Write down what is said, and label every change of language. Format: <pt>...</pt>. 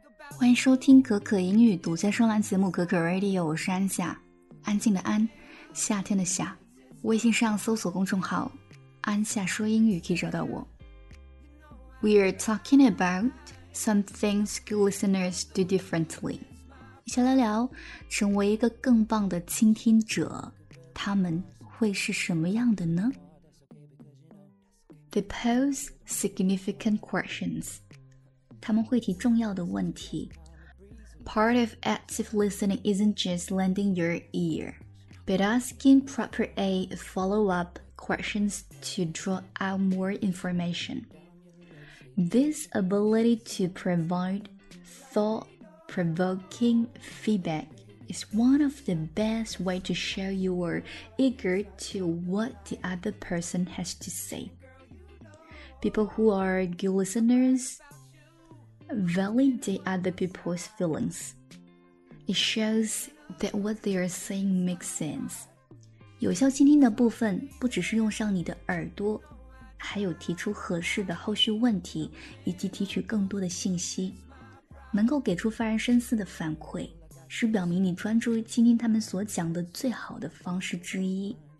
<zh>欢迎收听可可英语独家专栏节目可可 Radio， 我是安夏，安静的安，夏天的夏。微信上搜索公众号安夏说英语可以找到我。</zh> <en>We are talking about some things school listeners do differently.</en> <zh>一起来聊，成为一个更棒的倾听者，他们会是什么样的呢？</zh> <en>They pose significant questions.</en> <zh>他们会提重要的问题。</zh> <en>Part of active listening isn't just lending your ear, but asking proper follow-up questions to draw out more information. This ability to provide thought-provoking feedback is one of the best ways to show you are eager to what the other person has to say. People who are good listeners validate other people's feelings. It shows that what they are saying makes sense.</en> <zh>有效倾听的部分不只是用上你的耳朵，还有提出合适的后续问题，以及提取更多的信息，能够给出发人深思的反馈，是表明你专注于倾听他们所讲的最好的方式之一。</zh>